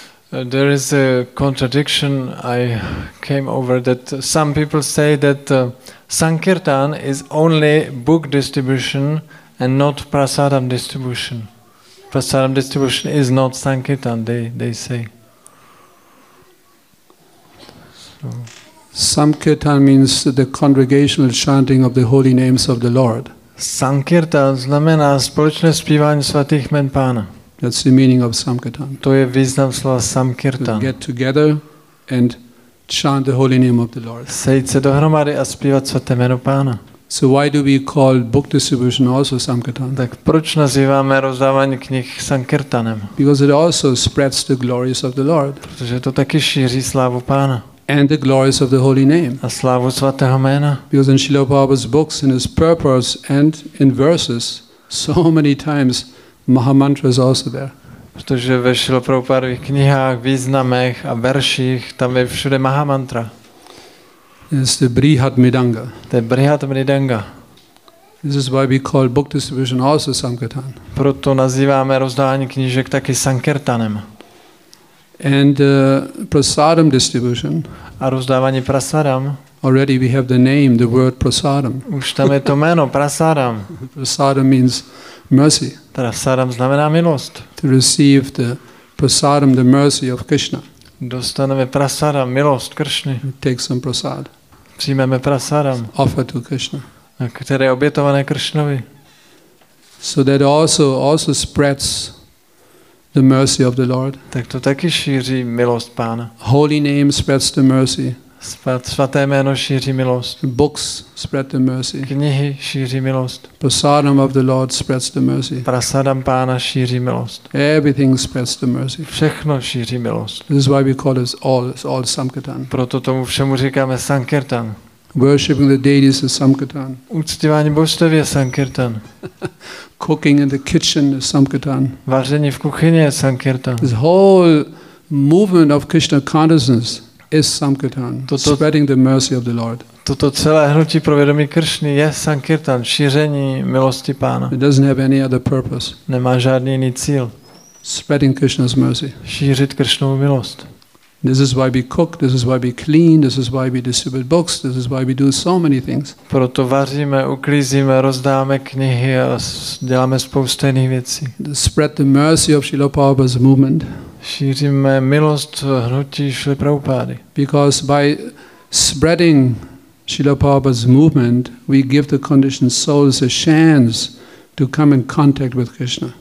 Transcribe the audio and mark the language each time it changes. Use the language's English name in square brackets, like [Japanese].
[English] There is a contradiction I came over that some people say that Sankirtan is only book distribution and not prasadam distribution. Prasadam distribution is not Sankirtan, they say. So. Sankirtan means the congregational chanting of the holy names of the Lord. [Czech] Sankirtan znamená společné zpívání svatých jmen Pána. [English] That's the meaning of samkirtan. [Czech] To je význam slova samkirtan. [English] To get together and chant the holy name of the Lord. [Czech] Sejít se dohromady a zpívat svaté jméno Pána. [English] So why do we call book distribution also sankirtan? [Czech] Tak proč nazýváme rozdávání knih sankirtanem? [English] Because it also spreads the glories of the Lord. [Czech] Protože to taky šíří slávu Pána. [English] And the glories of the holy name. [Czech] A slávu svatého jména. [English] Because in Srila Prabhupada's books, in his purports and in verses, so many times Mahamantra is also there. [Czech] Protože ve Srila Prabhupádových knihách, významech a verších, tam je všude Mahamantra. [English] It's the Brihat Midanga. The Brihat Midanga. This is why we call book distribution also sankirtan. [Czech] Proto nazýváme rozdávání knížek taky sankirtanem. [English] And prasadam distribution. [Czech] A rozdávání prasadam. [English] Already we have the name, the word prasadam. [Czech] Už tam je to jméno prasadam. [English] Prasadam means mercy. [Czech] Prasadam znamená milost. [English] To receive the prasadam, the mercy of Krishna. [Czech] Dostaneme prasadam, milost Kršny. [English] Take some prasad. [Czech] Přijmeme prasadam. [English] Offer to Krishna. [Czech] Které je obětované Kršnovi. [English] So that also spreads the mercy of the Lord. [Czech] Tak to taky šíří milost Pána. [English] Holy name spreads the mercy. [Czech] Svaté jméno šíří milost. [English] Books spread the mercy. [Czech] Knihy šíří milost. [English] Prasadam of the Lord spreads the mercy. [Czech] Prasadam Pána šíří milost. [English] Everything spreads the mercy. [Czech] Všechno šíří milost. [English] This is why we call it all sankirtan. [Czech] Proto tomu všemu říkáme sankirtan. [English] Worshipping the deities is sankirtan. [Czech] Uctívání božstev je sankirtan. [English] Cooking in the kitchen is sankirtan. [Czech] Vaření v kuchyni je sankirtan. [English] This whole movement of Krishna consciousness is sankirtan. Toto, spreading the mercy of the Lord. [Czech] Toto celé hnutí pro vědomí Kršny je sankirtan, šíření milosti Pána. [English] It doesn't have any other purpose. [Czech] Nemá žádný jiný cíl. [English] Spreading Krishna's mercy. [Czech] Šířit Kršnovu milost. [English] This is why we cook, this is why we clean, this is why we distribute books, this is why we do so many things. [Czech] Proto vaříme, uklízíme, rozdáváme knihy a děláme spoustu jiných věcí. [English] Spread the mercy of Srila Prabhupada's movement. [Czech] Šíříme milost hnutí Srila Prabhupady. [English] Because by spreading Srila Prabhupada's movement, we give the conditioned souls a chance to come in contact with Krishna.